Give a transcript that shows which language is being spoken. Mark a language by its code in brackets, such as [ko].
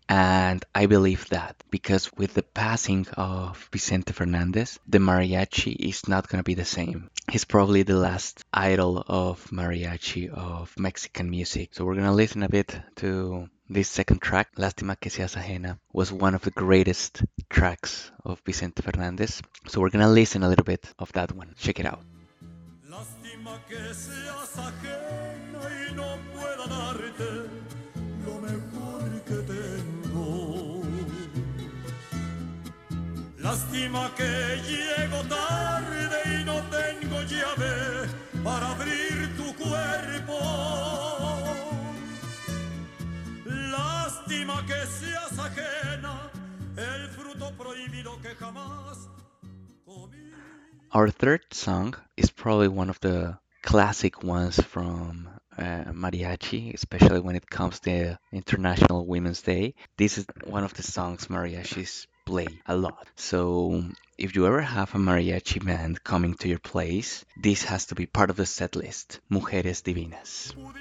[en] And I believe that, because with the passing of Vicente Fernández, the mariachi is not going to be the same. He's probably the last idol of mariachi, of Mexican music. So we're going to listen a bit to this second track, Lástima que seas ajena, was one of the greatest tracks of Vicente Fernández. So we're going to listen a little bit of that one. Check it out. [es] Lástima que seas ajena y no pueda darte lo mejor que tengo. Lástima que llego tarde y no tengo llave para abrir tu cuerpo. Lástima que seas ajena, el fruto prohibido que jamás comí. [en] Our third song is probably one of the classic ones from mariachi, especially when it comes to International Women's Day. This is one of the songs mariachis play a lot. So if you ever have a mariachi band coming to your place, this has to be part of the set list, Mujeres Divinas.